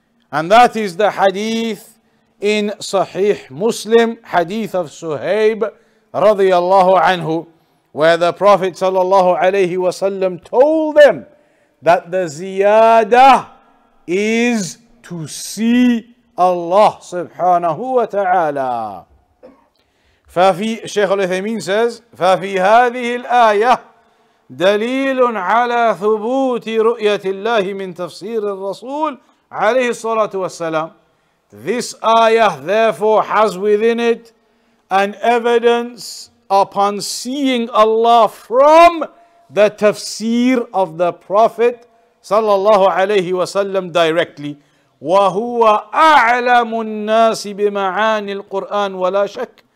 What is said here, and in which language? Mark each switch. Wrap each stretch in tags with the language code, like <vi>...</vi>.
<en>And that is the hadith in Sahih Muslim, hadith of Suhaib radiyallahu anhu, where the Prophet sallallahu alayhi wasallam told them that the ziyadah is to see Allah subhanahu wa ta'ala. Shaykh al-Uthaymeen says,</en> <ar>فَفِي هَذِهِ الْآيَةِ دَلِيلٌ عَلَى ثُبُوتِ رُؤْيَةِ اللَّهِ مِنْ تَفْسِيرِ الرَّسُولِ عَلَيْهِ الصَّلَاةُ وَالسَّلَامِ.</ar> <en>This ayah therefore has within it an evidence upon seeing Allah from the tafsir of the Prophet sallallahu alayhi wasallam directly.</en> <ar>وَهُوَ أَعْلَمُ النَّاسِ بِمَعَانِ الْقُرْآنِ وَلَا شَكٍ.</ar>